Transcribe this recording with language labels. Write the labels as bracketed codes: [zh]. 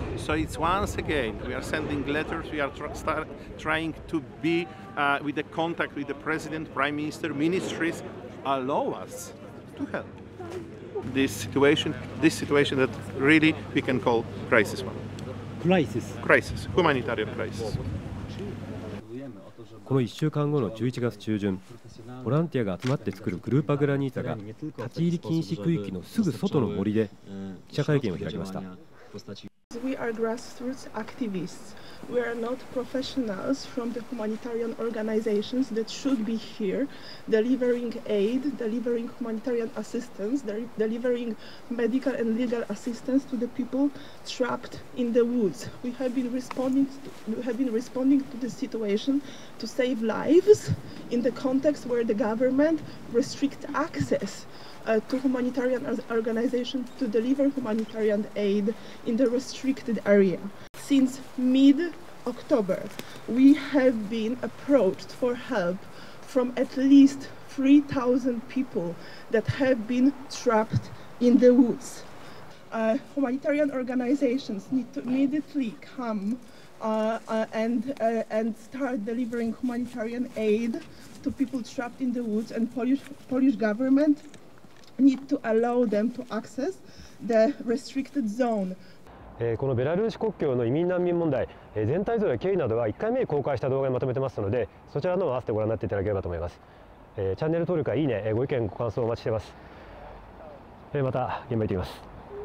[en] So it's once again, we are sending letters, we are trying to be with the contact with the president, prime minister, ministries, allow us to help this situation that really we can call crisis one. Crisis? Crisis, humanitarian crisis. [ja] この1週間後の11月中旬、ボランティアが集まって作るグルーパグラニータが立ち入り禁止区域のすぐ外の森で記者会見を開きました。 [en] We are grassroots activists. We are not professionals from the humanitarian organizations that should be here delivering aid, delivering humanitarian assistance, delivering medical and legal assistance to the people trapped in the woods. We have been responding to the situation to save lives in the context where the government restricts access to humanitarian organizations to deliver humanitarian aid in the restricted area. Since mid-October, we have been approached for help from at least 3,000 people that have been trapped in the woods. Humanitarian organizations need to immediately come and start delivering humanitarian aid to people trapped in the woods, and Polish government need to allow them to access the restricted zone. [ja] このベラルーシ国境の移民難民問題、全体像や経緯などは1回目に公開した動画にまとめてますので、そちらの方も合わせてご覧になっていただければと思います。チャンネル登録やいいね、ご意見ご感想をお待ちしています。また現場に行ってきます。